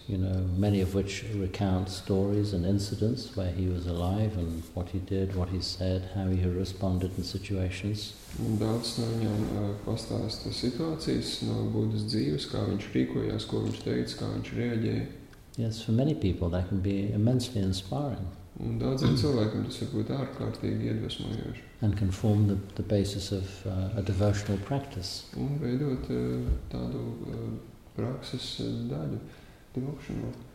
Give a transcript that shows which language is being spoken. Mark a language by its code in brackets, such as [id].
[en] you know, many of which recount stories and incidents where he was alive and what he did, what he said, how he responded in situations. [lv] Un daudz no viņiem pastāsta situācijas no Buddhas dzīves, kā viņš rīkojās, ko viņš teica, kā viņš rēģēja. [en] Yes, for many people that can be immensely inspiring. [lv] Un daudziem cilvēkiem tas var būt ārkārtīgi iedvesmojoši. [en] and can form the basis of a devotional practice. [lv] Un veidot tādu prakses daļu devotional.